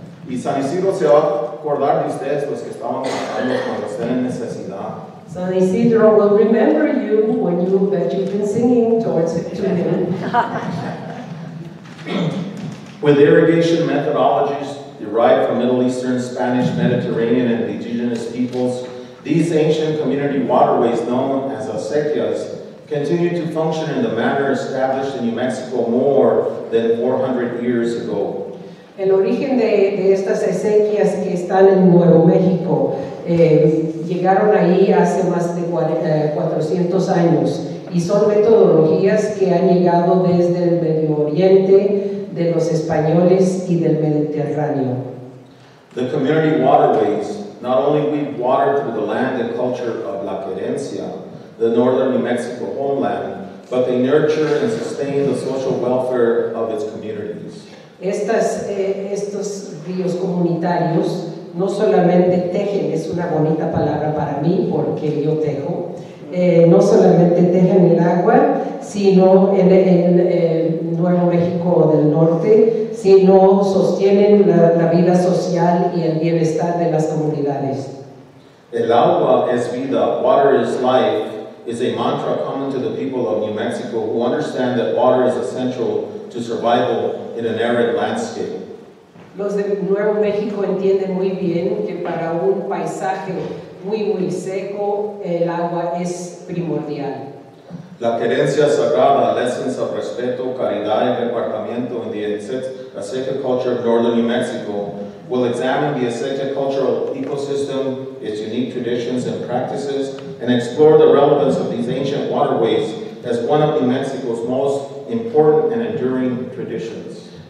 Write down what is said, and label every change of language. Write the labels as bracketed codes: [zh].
[es] Isidro se va a acordar de ustedes los que estaban cuando estén en necesidad. [en] San Isidro will remember you when you that you've been singing towards to him. With irrigation methodologies derived from Middle Eastern, Spanish, Mediterranean, and indigenous peoples, these ancient community waterways known as acequias continue to function in the manner established in New Mexico more than 400 years ago. [es] El origen de estas acequias que están en Nuevo México llegaron ahí hace más de 400 años y son metodologías que han llegado desde el Medio Oriente, de los españoles y del Mediterráneo. [en] The community waterways not only weave water through the land and culture of La Querencia, the northern New Mexico homeland, but they nurture and sustain the social welfare of its communities. [es] Estos ríos comunitarios no solamente tejen, es una bonita palabra para mí porque yo tejo, no solamente tejen el agua, sino en Nuevo México del Norte, sino sostienen la vida social y el bienestar de las comunidades. El agua es vida, [en] water is life, is a mantra common to the people of New Mexico who understand that water is essential to survival in an arid landscape. [es] Los de Nuevo México entienden muy bien que para un paisaje muy muy seco, el agua es primordial. [en] La Querencia Sagrada, lessons of [es] respeto, caridad y repartimiento [en] in the acequia culture of northern New Mexico, will examine the acequia cultural ecosystem, its unique traditions and practices, and explore the relevance of these ancient waterways as one of New Mexico's most important and enduring traditions.